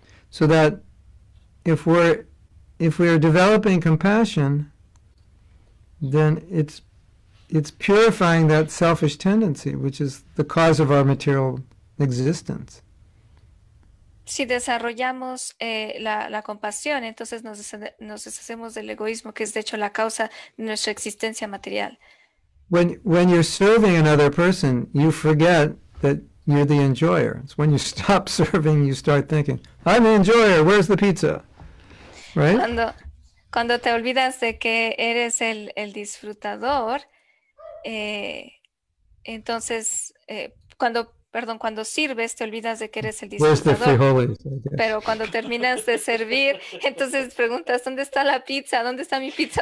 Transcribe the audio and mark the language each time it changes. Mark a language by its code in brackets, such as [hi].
[en] So that if we are developing compassion, then it's purifying that selfish tendency, which is the cause of our material existence. [es] Si desarrollamos la compasión, entonces nos deshacemos del egoísmo, que es de hecho la causa de nuestra existencia material. [en] When you're serving another person, you forget that You're the enjoyer. It's when you stop serving, you start thinking, I'm the enjoyer, where's the pizza? Right? [es] Cuando te olvidas de que eres el disfrutador, entonces, cuando sirves, te olvidas de que eres el disfrutador. Frijoles, pero cuando terminas de servir, entonces preguntas, ¿dónde está la pizza? ¿Dónde está mi pizza?